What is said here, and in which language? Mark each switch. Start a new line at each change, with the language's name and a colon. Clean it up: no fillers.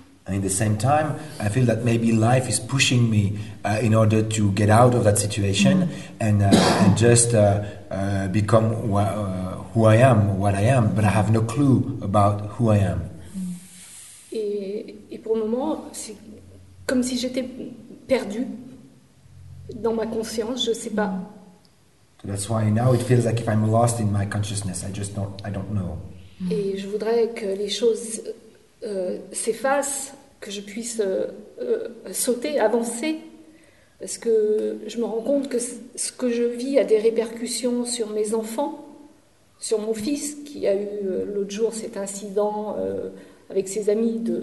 English: And in the same time, I feel that maybe life is pushing me in order to get out of that situation and just become who I am, but I have no clue about who I am.
French: Et pour le moment, c'est comme si j'étais perdue dans ma conscience, je ne sais pas.
English: So that's why now it feels like if I'm lost in my consciousness, I don't know.
French: Et je voudrais que les choses s'effacent, que je puisse sauter, avancer, parce que je me rends compte que ce que je vis a des répercussions sur mes enfants, sur mon fils qui a eu l'autre jour cet incident avec ses amis.